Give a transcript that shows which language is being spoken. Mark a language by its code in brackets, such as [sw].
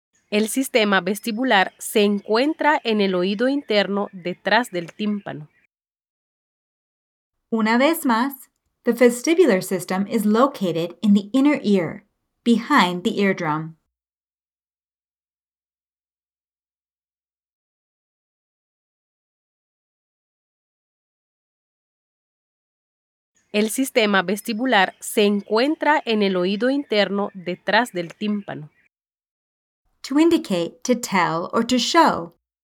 [es] El sistema vestibular se encuentra en el oído interno detrás del tímpano. Una vez más, [en] the vestibular system is located in the inner ear, behind the eardrum. [es] El sistema vestibular se encuentra en el oído interno detrás del tímpano. [en] To indicate, to tell, or to show.